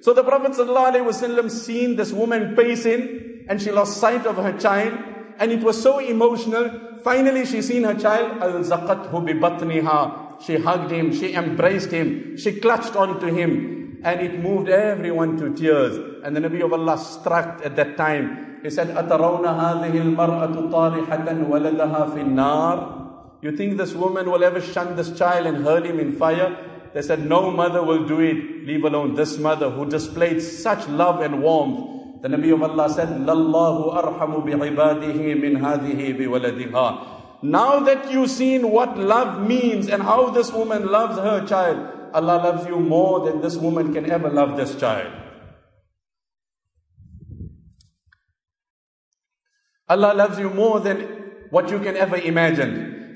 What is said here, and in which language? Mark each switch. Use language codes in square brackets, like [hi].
[en] So the Prophet sallallahu alaihi wasallam seen this woman pacing and she lost sight of her child, and it was so emotional. Finally, she seen her child, [ar] أَلْزَقَتْهُ بِبَطْنِهَا. [en] She hugged him, she embraced him, she clutched onto him, and it moved everyone to tears. And the Nabi of Allah struck at that time. He said, [ar] أَتَرَوْنَ هَذِهِ الْمَرْأَةُ طَارِحَةً وَلَدَهَا فِي النَّارِ. [en] You think this woman will ever shun this child and hurl him in fire? They said, no mother will do it, leave alone this mother who displayed such love and warmth. The Nabi of Allah said, [ar] لَاللَّهُ أَرْحَمُ بِعِبَادِهِ مِنْ هَذِهِ بِوَلَدِهَا. [en] Now that you've seen what love means and how this woman loves her child, Allah loves you more than this woman can ever love this child. Allah loves you more than what you can ever imagine.